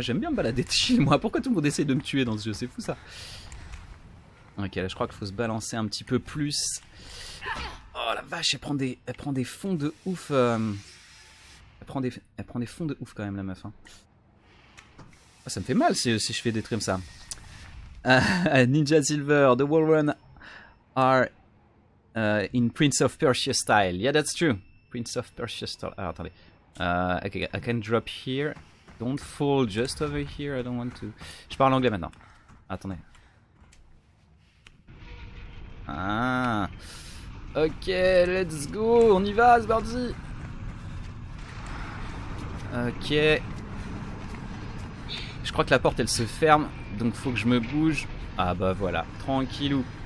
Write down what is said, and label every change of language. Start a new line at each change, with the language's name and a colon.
French: J'aime bien me balader de chez moi. Pourquoi tout le monde essaie de me tuer dans ce jeu? C'est fou ça. Ok, là je crois qu'il faut se balancer un petit peu plus. Oh la vache, elle prend des fonds de ouf. Elle prend des fonds de ouf quand même la meuf. Hein. Oh, ça me fait mal si je fais des trucs comme ça.
English: Ninja Silver, The World Run are in Prince of Persia style. Yeah, that's true. Prince of Persia style. Ah, attendez. Okay, I can drop here. Don't fall just over here. I don't want to.
French: Je parle anglais maintenant. Attendez.
English: Ah. Ok, let's go.
French: On y va,
English: Sbardi. Ok.
French: Je crois que la porte elle se ferme. Donc faut que je me bouge. Ah bah voilà. Tranquillou.